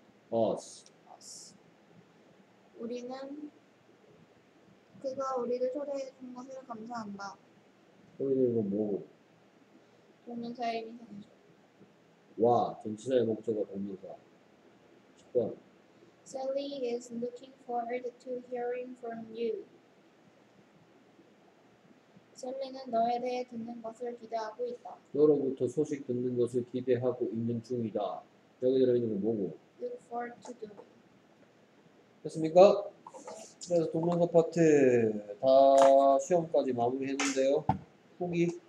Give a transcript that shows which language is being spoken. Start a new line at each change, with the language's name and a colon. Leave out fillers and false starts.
English: Us.
Korean: 우리는 그가 우리를 초대해 준 것을 감사한다. 그리고 이거 뭐고? 동명사의 의미상이죠. 와, 전치사의 목적어 동명사. 10번.
English: Sally is looking forward to hearing from you.
Korean: 셀리는 너에 대해 듣는 것을 기대하고 있다. 너로부터 소식 듣는 것을 기대하고 있는 중이다. 여기 들어있는 건 뭐고?
English: Look forward to doing.
Korean: 됐습니까? 그래서 동명사 파트 다 시험까지 마무리했는데요. 후기.